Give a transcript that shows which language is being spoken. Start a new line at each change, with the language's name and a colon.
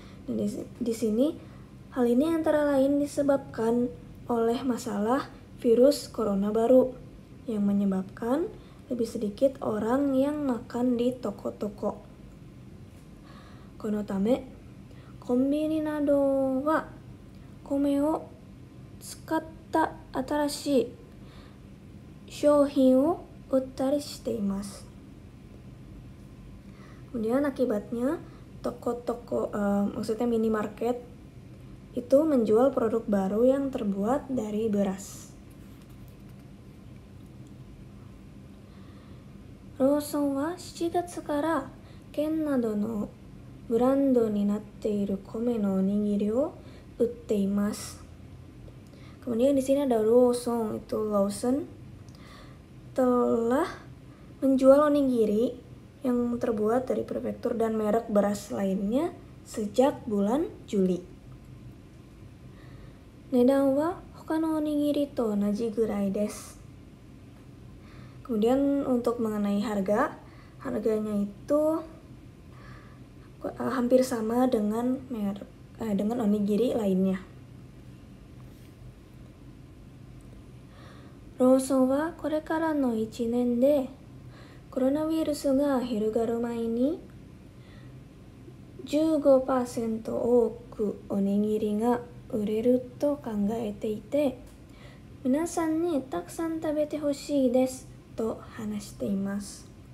Indonesian: Di sini, hal ini antara lain disebabkan oleh masalah virus corona baru yang menyebabkan lebih sedikit orang yang makan di toko-toko.
Japanese: このため、コンビニなどは米を使った新しい商品を売ったりしています。
Indonesian: Kemudian akibatnya toko-toko, maksudnya minimarket itu menjual produk baru yang terbuat dari beras.
Japanese: ローソンは7月から県などのブランドになっている米のおにぎりを売っています。
Indonesian: Kemudian di sini ada Lawson, itu Lawson telah menjual onigiri yang terbuat dari prefektur dan merek beras lainnya sejak bulan Juli.
Japanese: Nedan wa hoka no onigiri to onaji gurai desu.
Indonesian: Kemudian untuk mengenai harga, harganya itu hampir sama dengan merek dengan onigiri lainnya.
Japanese: ローソンはこれからの1年でコロナウイルスが広がる前に 15% 多くおにぎりが売れると考えていて皆さんにたくさん食べてほしいですと話しています。